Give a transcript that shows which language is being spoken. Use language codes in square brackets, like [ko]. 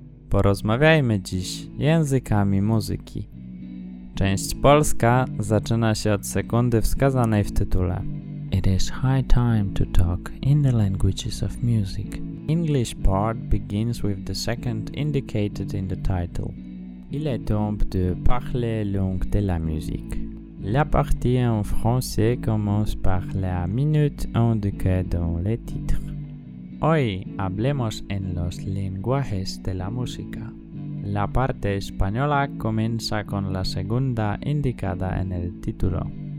[pl] Porozmawiajmy dziś językami muzyki. Część polska zaczyna się od sekundy wskazanej w tytule. [en] It is high time to talk in the languages of music. English part begins with the second indicated in the title. [fr] Il est temps de parler langue de la musique. La partie en français commence par la minute indiquée dans le titre. [es] Hoy hablemos en los lenguajes de la música. La parte española comienza con la segunda indicada en el título.